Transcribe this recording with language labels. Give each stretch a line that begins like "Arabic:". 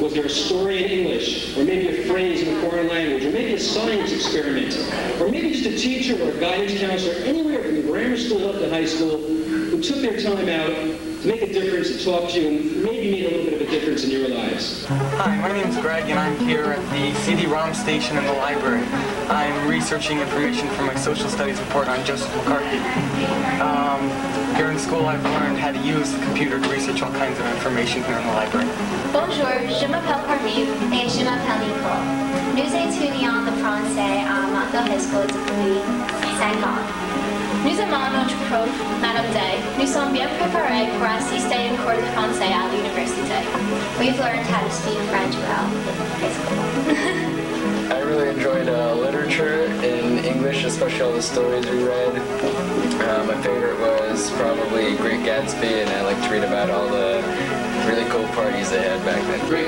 English: Was there a story in English, or maybe a phrase in a foreign language, or maybe a science experiment, or maybe just a teacher or a guidance counselor, anywhere from the grammar school up to high school, who took their time out to make a difference, to talk to you, and maybe made a little bit of a difference in your lives? Hi, my name is Greg, and I'm here at the CD-ROM station in the library. I'm researching information for my social studies report on Joseph McCarthy. Here in school, I've learned how to use the computer to research all kinds of information here in the library.
French: Bonjour, je m'appelle Parmi, et je m'appelle Nicole. Nous étudions le français à Montville High School depuis 5 ans. Nous aimons notre prof, Madame Day. Nous sommes bien préparés pour assister à un cours de français à l'université.
English: We've learned how to speak French well in high school. I really enjoyed literature in English, especially all the stories we read. My favorite was probably Great Gatsby, and I like to read about all the really cool parties they had back then.